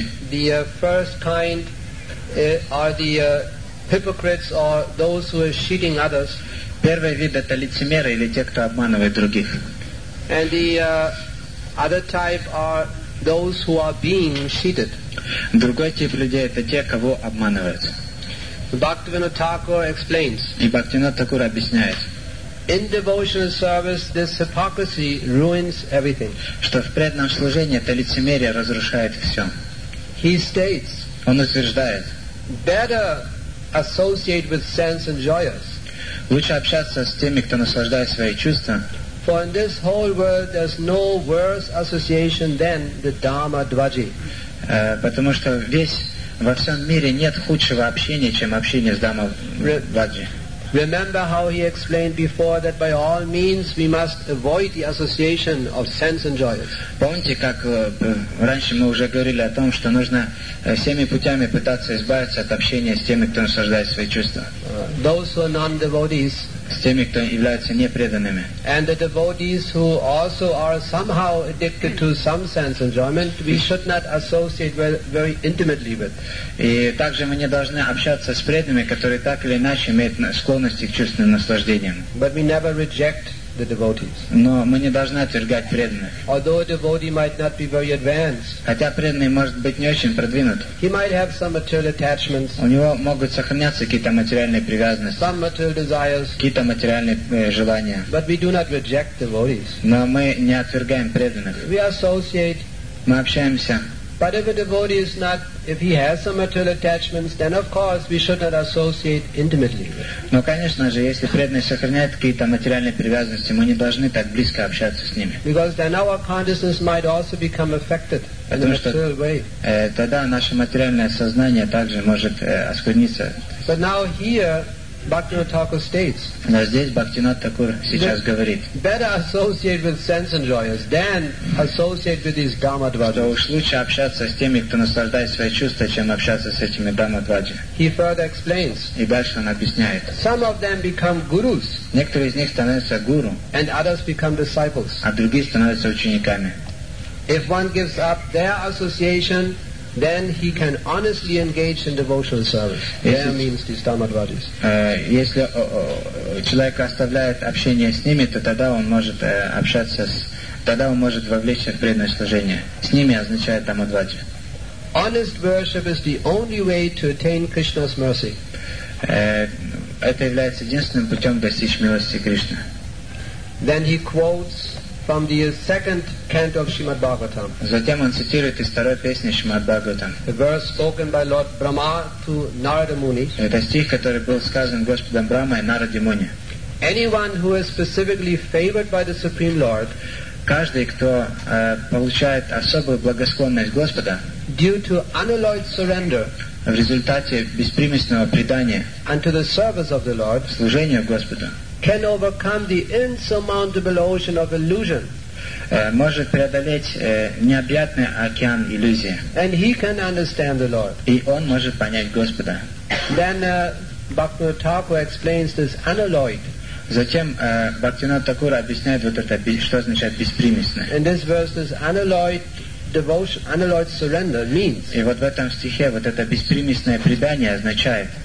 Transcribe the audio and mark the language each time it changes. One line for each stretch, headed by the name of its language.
English: The first kind are the hypocrites or those who are cheating others.
Russian: Первый вид это лицемеры или те, кто обманывает других.
English: And the other type are those who are being cheated.
Russian: Другой тип людей это те, кого обманывают.
English: Bhaktivinoda Thakur explains.
Russian: И Бхактивинода Такура объясняет.
English: In devotional service, this hypocrisy ruins everything.
Russian: Что в преданном служении это лицемерие разрушает все.
English: He states.
Russian: Он утверждает.
English: Better associate with sense enjoyers.
Russian: Лучше общаться с теми, кто наслаждает свои чувства.
English: For in this whole world, there's no worse association than the Dharma Dvaji.
Russian: Потому что весь во всем мире нет худшего общения, чем общение с дхамма-дваджи.
English: Remember how he explained before that by all means we must avoid the association of sense enjoyers.
Russian: Помните, как раньше мы уже говорили о том, что нужно всеми путями пытаться избавиться от общения с теми, кто наслаждает свои чувства.
English: Those who are non-devotees.
Russian: С теми, кто является непреданными.
English: And the devotees who also are somehow addicted to some sense enjoyment, we should not associate very intimately with.
Russian: И также мы не должны общаться с преданными, которые так или иначе имеют склонности к чувственным наслаждениям.
English: But we never reject the devotees.
Russian: Но мы не должны отвергать преданных.
English: Although a devotee might not be very advanced.
Russian: Хотя преданный может быть не очень продвинут.
English: He might have some material attachments.
Russian: У него могут сохраняться какие-то материальные привязанности.
English: Some material desires.
Russian: Какие-то материальные желания.
English: But we do not reject devotees.
Russian: Но мы не отвергаем преданных.
English: We associate.
Russian: Мы общаемся.
English: But if a devotee is not, if he has some material attachments, then of course we should not associate intimately.
Russian: Но конечно же, если преданный сохраняет какие-то материальные привязанности, мы не должны так близко общаться с ними.
English: Because then our consciousness might also become affected in a material way.
Russian: Тогда наше материальное сознание также может оскверниться.
English: But now here, Bhaktivinoda Thakur states.
Russian: Но здесь Бхактивинода Такур сейчас говорит.
English: Better associate with sense enjoyers than associate with these dharma dvaji.
Russian: Уж лучше общаться с теми, кто наслаждает свои чувства, чем общаться с этими дхамма дваджи.
English: He further explains.
Russian: И дальше он объясняет.
English: Some of them become gurus.
Russian: Некоторые из них становятся гуру.
English: And others become disciples.
Russian: А другие становятся учениками.
English: If one gives up their association, then he can honestly engage in devotional service. There means these dharma dvajis.
Russian: Если человек оставляет общение с ними, то тогда он может общаться с, тогда он может вовлечься в преданное служение. С ними означает дхамма дваджи.
English: Honest worship is the only way to attain Krishna's mercy.
Russian: Это является единственным путем достичь милости Кришны.
English: Then he quotes from the second canto of Shrimad Bhagavatam.
Russian: Затем он цитирует из второй песни Шримад Бхагаватам.
English: The verse spoken by Lord Brahma to Narada Muni.
Russian: Это стих, который был сказан Господом Брахмой Нараде Муни.
English: Anyone who is specifically favored by the Supreme Lord.
Russian: Каждый, кто получает особую благосклонность Господа.
English: Due to unalloyed surrender.
Russian: В результате беспримесного предания.
English: And to the service of the Lord.
Russian: Служению Господу.
English: Can overcome the insurmountable ocean of illusion.
Russian: Может преодолеть необъятный океан иллюзии.
English: And he can understand the Lord.
Russian: И он может понять Господа.
English: Then Bhaktivinoda Thakur explains this unalloyed.
Russian: Затем Бхактивинода Такура объясняет вот это, что означает беспримесное.
English: In this verse, this unalloyed devotion, unalloyed surrender means.
Russian: И вот в этом стихе вот это беспримесное предание означает.